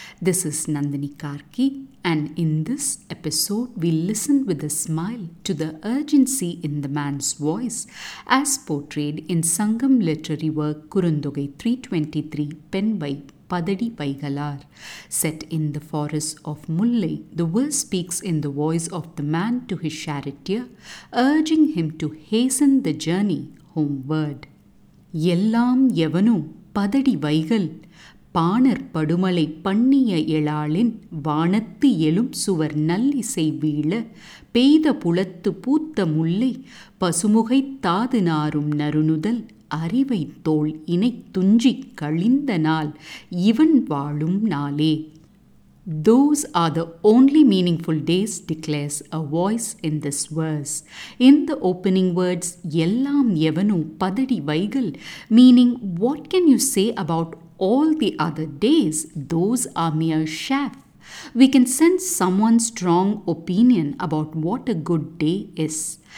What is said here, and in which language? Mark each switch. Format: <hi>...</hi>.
<en>This is Nandini Karki, and in this episode we listen with a smile to the urgency in the man's voice as portrayed in Sangam literary work Kurundogai 323 penned by Padadi Paigalar. Set in the forest of Mullai, the verse speaks in the voice of the man to his charioteer, urging him to hasten the journey homeward.</en> <ta>எல்லாம் எவனும் பதடி வைகள் பாணர் படுமலை பண்ணிய எழாளின் வானத்து எழும் சுவர் நல்லிசை வீழ பெய்த புலத்து பூத்த முல்லை பசுமுகை தாது நாரும் நறுணுதல் அறிவை தோல் இணை துஞ்சி கழிந்த நாள் இவன் வாழும் நாளே.</ta> <en>Those are the only meaningful days, declares a voice in this verse. In the opening words, Yellam Yevanu Padadi Vaigal, meaning what can you say about all the other days? Those are mere chaff. We can sense someone's strong opinion about what a good day is.</en>